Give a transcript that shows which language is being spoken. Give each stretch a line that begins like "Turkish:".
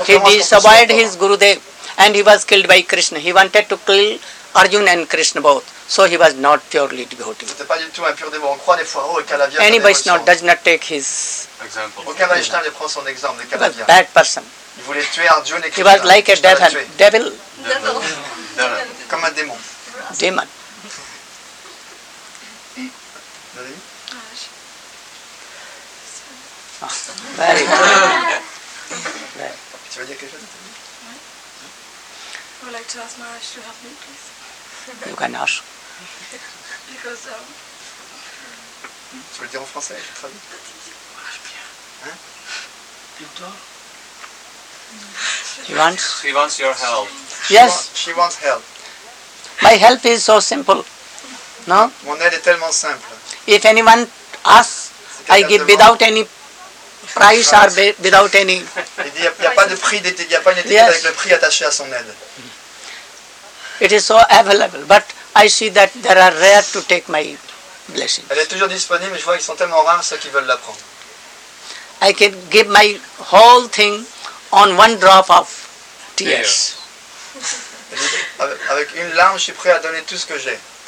English: He disobeyed his Gurudev and he was killed by Krishna. He wanted to kill Arjuna and Krishna both. So he was not purely devotee.
French: C'était pas du tout un pur dévot. On croit des fois, oh, Ekalavya...
English: Any Vaishnava does not take his...
French: Example. Aucun Vaishnava ne prend son exemple, Ekalavya.
English: Bad person.
French: Il voulait tuer Arjuna et Krishna.
English: He was like a devil. Devil.
French: Comme un démon.
English: Demon. Oh, very good.
French: Tu veux dire quelque chose?
English: I would like to ask Maharaj to help me, please. You can ask. Because,
French: Tu veux le dire en français? Je traduis. Marche bien. Hein? Et toi?
English: She wants your help. Yes. She wants help. My help is so simple. No?
French: Mon aide est tellement simple.
English: If anyone asks, I give without any price or without any...
French: Il n'y a pas de prix, il n'y a pas une étiquette avec le prix attaché à son aide.
English: It is so available, but I see that there are rare to take my blessing.
French: Elle est toujours disponible, mais je vois qu'ils sont tellement rares ceux qui veulent la prendre.
English: I can give my whole thing on one drop of tears.
French: Avec une larme, je suis prêt à donner tout ce que j'ai.